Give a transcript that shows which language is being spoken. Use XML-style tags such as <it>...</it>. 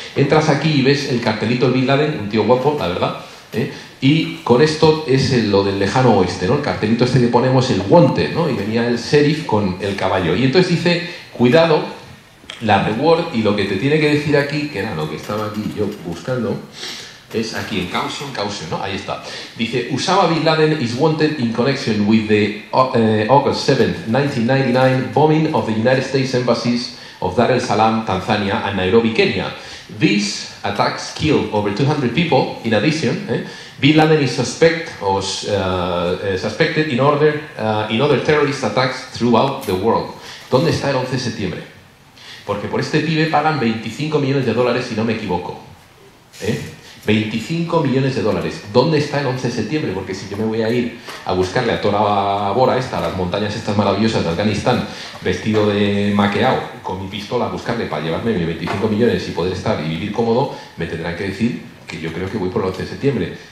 <es>Entras aquí y ves el cartelito de Bin Laden, un tío guapo, la verdad, y con esto es lo del lejano oeste, ¿no? El cartelito este que ponemos, el wanted, ¿no? Y venía el sheriff con el caballo. Y entonces dice, cuidado, la reward, y lo que te tiene que decir aquí, que era lo que estaba aquí yo buscando, es aquí, en caution, ¿no? Ahí está. Dice,</es> <en>Usama Bin Laden is wanted in connection with the August 7th, 1999 bombing of the United States embassies of Dar es Salaam, Tanzania, and Nairobi, Kenya. These attacks killed over 200 people in addition. Bin Laden is suspected in other terrorist attacks throughout the world.</en> <es>¿Dónde está el 11 de septiembre? Porque por este pibe pagan 25 millones de dólares, si no me equivoco. 25 millones de dólares. ¿Dónde está el 11 de septiembre? Porque si yo me voy a ir a buscarle a Tora Bora esta, a las montañas estas maravillosas de Afganistán, vestido de maqueado, con mi pistola, a buscarle para llevarme mis 25 millones y poder estar y vivir cómodo, me tendrán que decir que yo creo que voy por el 11 de septiembre.</es>